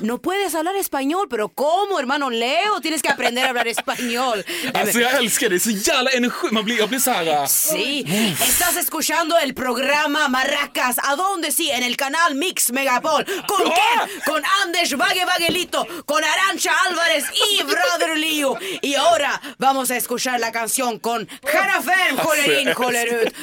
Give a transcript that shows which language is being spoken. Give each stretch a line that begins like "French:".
Spanish: No puedes hablar español, pero cómo, hermano Leo, tienes que aprender a hablar español.
Swedish: Alltså jag älskar det, så jävla energi. Jag blir så här.
Spanish: Sí. Estás escuchando el programa Maracas. ¿A dónde sí? En el canal Mix Megapol. ¿Con qué? Con Anders Bagge Baggelito, con Arancha Álvarez y Brother Leo. Y ahora vamos a escuchar la canción con Jara Fem, Joler in, Joler ut.